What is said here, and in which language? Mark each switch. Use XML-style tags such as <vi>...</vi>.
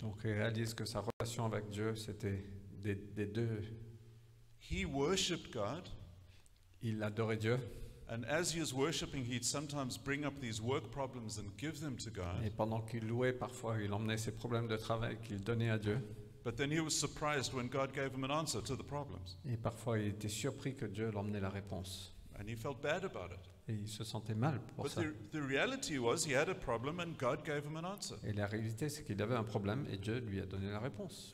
<fr>Donc il réalise que sa relation avec Dieu c'était des deux.</fr> <en>He worshipped God.</en> <fr>Il adorait Dieu.</fr> <en>And as he was worshiping, he'd sometimes bring up these work problems and give them to God.</en> <fr>Et pendant qu'il louait, parfois, il emmenait ses problèmes de travail qu'il donnait à Dieu.</fr> <en>But then he was surprised when God gave him an answer to the problems.</en> <fr>Et parfois, il était surpris que Dieu l'emmenait la réponse.</fr> <en>And he felt bad about it.</en> <fr>Et il se sentait mal pour</fr> <en>But</en> <fr>ça.</fr> <en>But the reality was, he had a problem and God gave him an answer.</en> <fr>Et la réalité, c'est qu'il avait un problème et Dieu lui a donné la réponse.</fr>